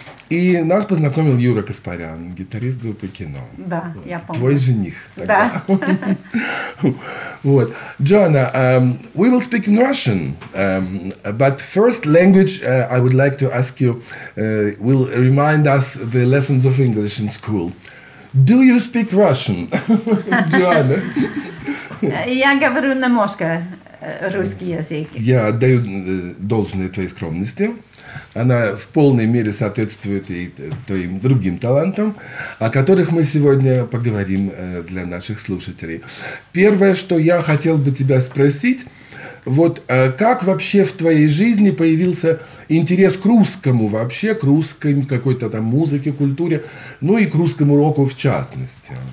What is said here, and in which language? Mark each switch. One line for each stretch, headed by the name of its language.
Russian: И нас познакомил Юра Каспарян, гитарист группы «Кино». Да, вот. Я помню. Твой жених тогда. Да. Вот.
English: Джоанна, we will speak in Russian, but first language I would like to ask you will remind us the lessons of English in school. Do you speak Russian, Джоанна?
Russian: Я говорю немножко русский язык. Я отдаю должное твоей скромности. Она в полной мере соответствует и твоим другим талантам, о которых мы сегодня поговорим для наших слушателей. Первое, что я хотел бы тебя спросить, вот как вообще в твоей жизни появился интерес к русскому вообще, к русской какой-то там музыке, культуре, ну и к русскому року в частности?